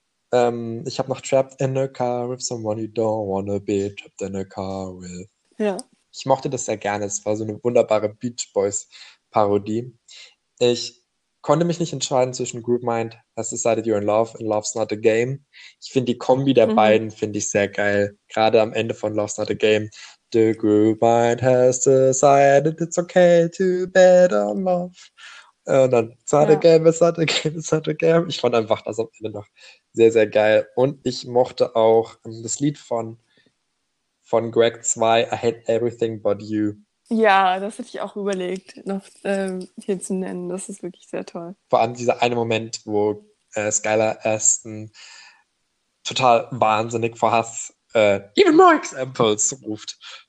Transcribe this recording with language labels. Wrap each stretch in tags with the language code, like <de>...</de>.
<de>Ich habe noch Trapped in a Car with Someone You Don't Wanna Be, Trapped in a Car With. Ich mochte das sehr gerne. Es war so eine wunderbare Beach Boys-Parodie. Ich konnte mich nicht entscheiden zwischen Group Mind, Has Decided You're in Love und Love's Not a Game. Ich finde die Kombi der beiden finde ich sehr geil. Gerade am Ende von Love's Not a Game.</de> <en>The Group Mind has decided it's okay to bet on love.</en> <de>Und dann,</de> <en>it's not a game, it's not a game, it's not a game.</en> <de>Ich fand einfach das am Ende noch sehr, sehr geil. Und ich mochte auch das Lied von Greg 2, I Hate Everything But You. Ja, das hätte ich auch überlegt, noch hier zu nennen. Das ist wirklich sehr toll. Vor allem dieser eine Moment, wo Skylar Aston total wahnsinnig vor Hass</de> <en>even more examples</en> <de>ruft.</de>